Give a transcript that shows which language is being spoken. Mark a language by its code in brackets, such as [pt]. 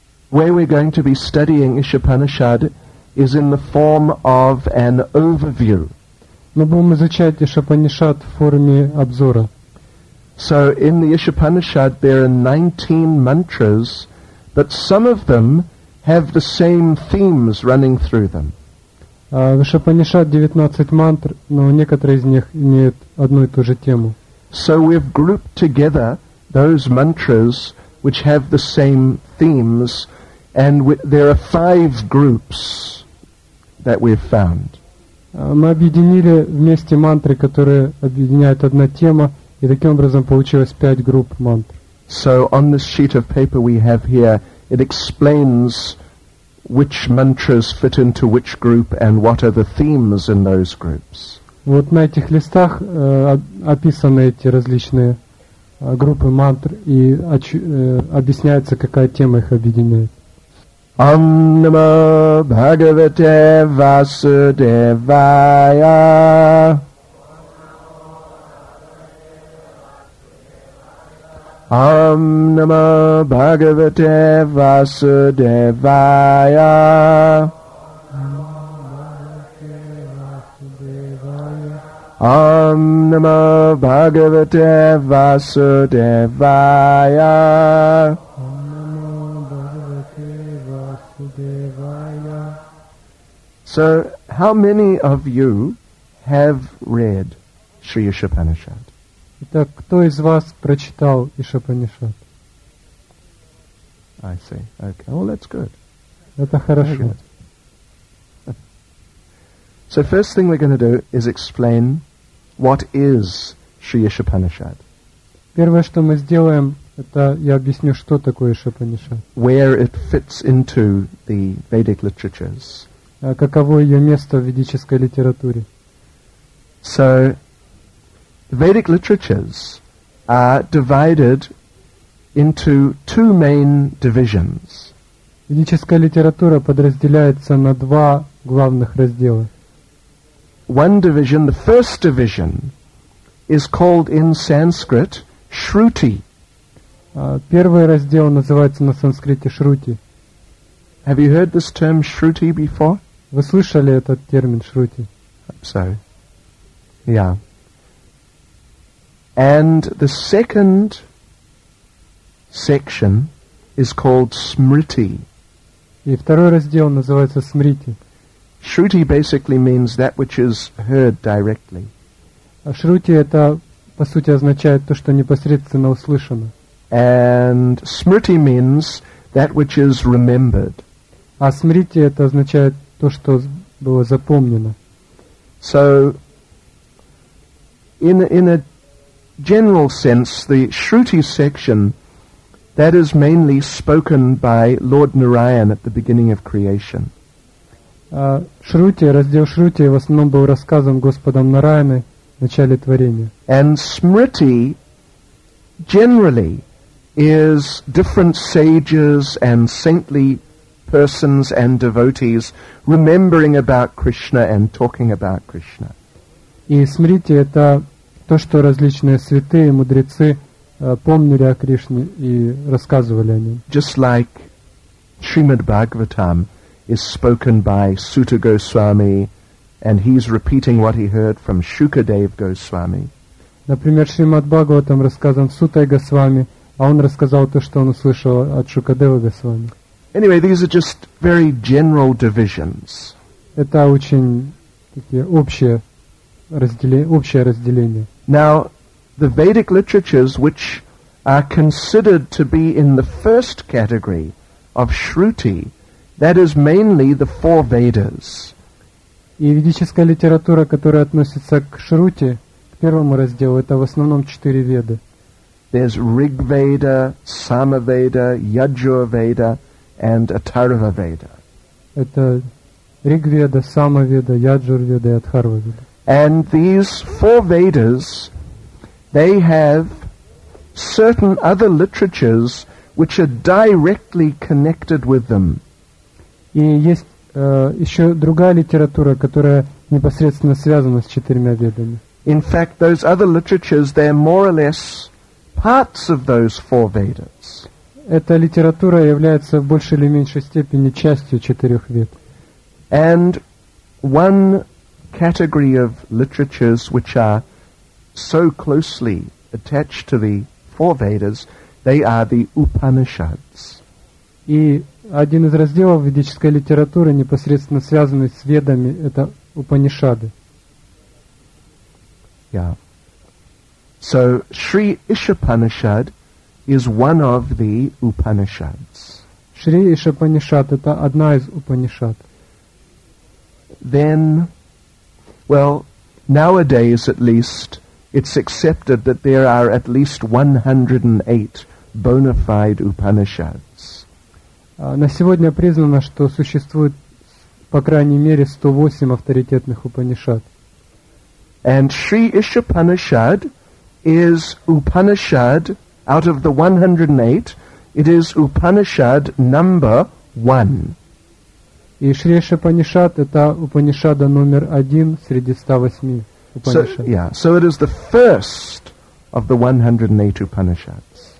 [en] where we're going to be studying Ishapanishad is in the form of an overview. [ru] Мы будем изучать Ишапанишад в форме обзора. [en] So in the Ishapanishad there are 19 mantras, but some of them have the same themes running through them. [ru] В Ишапанишад 19 мантр, но некоторые из них имеют одну и ту же тему. [en] So we've grouped together those mantras which have the same themes, and there are 5 groups that we've found. [ru] Мы объединили вместе мантры, которые объединяют одна тема, и таким образом получилось 5 групп мантр. [en] So on this sheet of paper we have here, it explains which mantras fit into which group and what are the themes in those groups. [ru] Вот на этих листах описаны эти различные группы мантр и объясняется, какая тема их объединяет. [sa] Om Namo Bhagavate Vasudevaya. Om Namo Bhagavate Vasudevaya. Om Namo Bhagavate Vasudevaya. [en] So, how many of you have read Sri Ishapanishad? [ru] Итак, кто из вас прочитал Ишапанишад? [en] I see. Okay. Well, that's good. [ru] Это хорошо. [en] Good. So, first thing we're going to do is explain what is Sri Ishapanishad. [ru] Первое, что мы сделаем, это я объясню, что такое Ишапанишад. [en] Where it fits into the Vedic literatures. [ru] Каково ее место в ведической литературе? [en] So, the Vedic literatures are divided into two main divisions. [ru] Ведическая литература подразделяется на два главных раздела. [en] One division, the first division, is called in Sanskrit Shruti. [ru] Первый раздел называется на санскрите Шрути. [en] Have you heard this term Shruti before? [ru] Вы слышали этот термин Шрути? [en] Sorry. Yeah. And the second section is called Smriti. [ru] И второй раздел называется Смрити. [en] Shruti basically means that which is heard directly. [ru] А Шрути это, по сути, означает то, что непосредственно услышано. [en] And Smriti means that which is remembered. [ru] А Смрити это означает то, что было запомнено. [en] So, in a general sense, the Shruti section, that is mainly spoken by Lord Narayan at the beginning of creation. [ru] Шрути, раздел Шрути, в основном был рассказан Господом Нараяной в начале творения. [en] And Smriti, generally, is different sages and saintly persons and devotees remembering about Krishna and talking about Krishna. [ru] И смотрите, это то, что различные святые мудрецы помнили о Кришне и рассказывали о нем. [en] Just like Srimad Bhagavatam is spoken by Suta Goswami and he's repeating what he heard from Shukadev Goswami. [ru] Например, Шримад Бхагаватам рассказан Сутой Госвами, а он рассказал то, что он услышал от Шукадева Госвами. [en] Anyway, these are just very general divisions. [ru] Это очень такие общее разделение. [en] Now, the Vedic literatures, which are considered to be in the first category of Shruti, that is mainly the four Vedas. [ru] И ведическая литература, которая относится к Шрути, к первому разделу, это в основном четыре Веды. [en] There's Rig Veda, Sama Veda, Yajur Veda, and Atharva Veda. [ru] Это Ригведа, Самаведа, Яджурведа и Атхарваведа. [en] And these four Vedas, they have certain other literatures which are directly connected with them. [ru] И есть еще другая литература, которая непосредственно связана с четырьмя ведами. [en] In fact, those other literatures, they're more or less parts of those four Vedas. [ru] эта литература является в большей или меньшей степени частью четырех вед. [en] And one category of literatures which are so closely attached to the four Vedas, they are the Upanishads. [ru] И один из разделов ведической литературы, непосредственно связанный с ведами, это Упанишады. Yeah. [en] So Sri Ishapanishad is one of the Upanishads. [ru] Шри Ишапанишад — это одна из Упанишад. [en] Then, well, nowadays at least, it's accepted that there are at least 108 bona fide Upanishads. [ru] На сегодня признано, что существует по крайней мере 108 авторитетных Упанишад. [en] And Sri Ishapanishad is Upanishad, out of the 108, it is Upanishad number 1. [ru] И Шри Ишапанишад — это Упанишада номер один среди 108 Упанишад. [en] So it is the first of the 108 Upanishads.